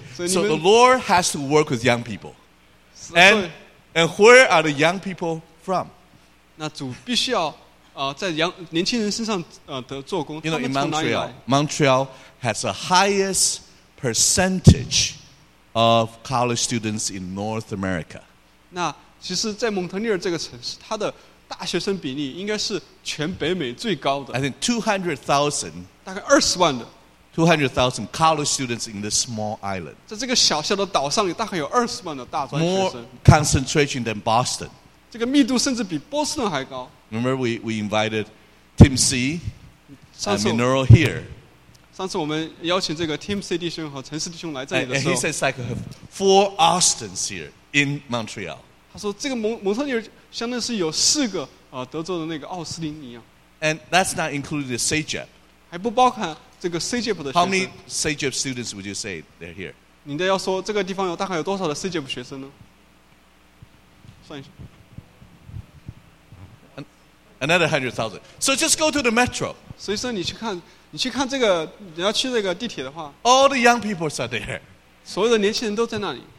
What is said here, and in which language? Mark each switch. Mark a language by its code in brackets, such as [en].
[en] So the Lord has to work with young people. And where are the young people from? [zh] 那主必须要在年轻人身上的做工。 [en] You know, in Montreal has the highest percentage of college students in North America. [zh] 那其实在蒙特利尔这个城市，它的大学生比例应该是全北美最高的。 [en] I think 200,000. [zh] 大概二十万的。 [en] 200,000 college students in this small island. [zh] 在这个小小的岛上，大概有二十万的大专学生。 [en] More concentration than Boston. [zh] 这个密度甚至比波士顿还高。 [en] Remember we invited Tim C and Minoru here. [zh] 上次我们邀请这个 Tim C 弟兄和陈氏弟兄来这里的时候 [en] and he says like have four Austins here in Montreal. [zh] 他说这个蒙特利尔相当于是有四个德州的那个奥斯林一样。 [en] And that's not including the CJEP. [zh] 还不包含这个 CJEP 的学生。 [en] How many CJEP students would you say they're here? [zh] 你得要说这个地方有大概有多少的 CJEP 学生呢？算一下。 [en] Another 100,000. So just go to the metro. [zh] 所以说你去看这个，你要去这个地铁的话。 [en] All the young people are there. [zh] 所有的年轻人都在那里。